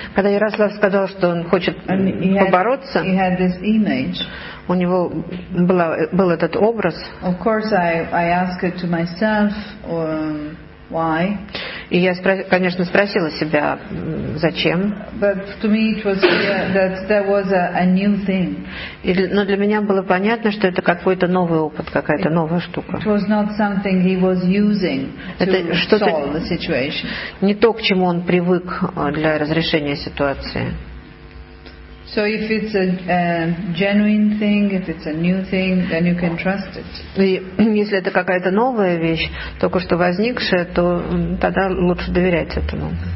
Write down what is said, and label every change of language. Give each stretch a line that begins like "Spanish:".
Russian: Когда Ярослав сказал, что он хочет побороться.
English: He had this image.
Russian: У него был этот образ.
English: Of course, I asked it to myself, why?
Russian: И я, конечно, спросила себя, зачем?
English: But to me it was that there was a new thing.
Russian: Но для меня было понятно, что это какой-то новый опыт, какая-то новая штука.
English: It was not something he was using to solve the situation.
Russian: Не то, к чему он привык для разрешения ситуации.
English: So if it's a genuine thing, if it's a new thing, then you can trust it.
Russian: И если это какая-то новая вещь, только что возникшая, то тогда лучше доверять этому.